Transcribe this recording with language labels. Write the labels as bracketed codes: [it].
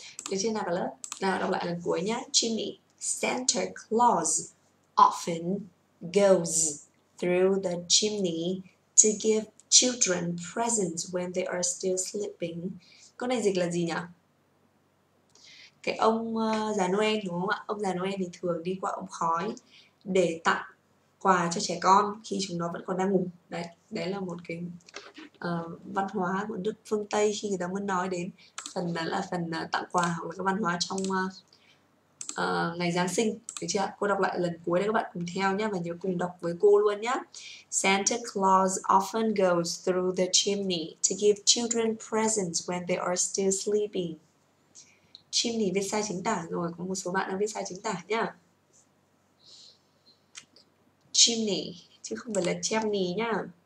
[vi] Được chưa nào cả lớp? Nào đọc lại lần cuối nhá. [en] Chimney. Santa Claus often goes through the chimney to give children presents when they are still sleeping. [vi] Câu này dịch là gì nhỉ? Cái ông già Noel đúng không ạ? Ông già Noel thì thường đi qua ống khói để tặng quà cho trẻ con khi chúng nó vẫn còn đang ngủ. Đấy, đấy là một cái văn hóa của nước phương Tây khi người ta muốn nói đến phần đó là phần tặng quà hoặc là các văn hóa trong ngày Giáng sinh, được chưa? Cô đọc lại lần cuối để các bạn cùng theo nhé và nhớ cùng đọc với cô luôn nhé. [en] Santa Claus often goes through the chimney to give children presents when they are still sleeping. [vi] Chimney viết sai chính tả rồi, có một số bạn đã viết sai chính tả nhá. chimney chứ không phải là chimney nhá.